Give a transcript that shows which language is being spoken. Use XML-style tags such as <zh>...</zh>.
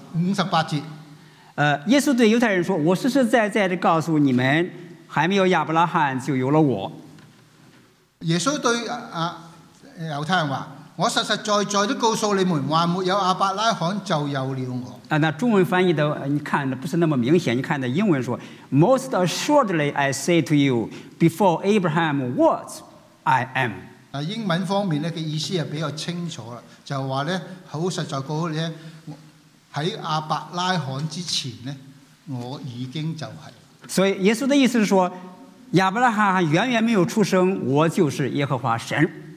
<zh>五十八节。耶稣对犹太人说，我实实在在的告诉你们，还没有亚伯拉罕就有了我。耶稣对犹太人说，我实实在在的告诉你们，还没有亚伯拉罕就有了我。那中文翻译的你看的不是那么明显，你看的英文说</zh> <en>Most assuredly I say to you, before Abraham was, I am。</en> <zh>英文方面的意思比较清楚，就是说很实在告诉你，在亚伯拉罕之前我已经就是。所以耶稣的意思是说，亚伯拉罕远远没有出生，我就是耶和华神。</zh>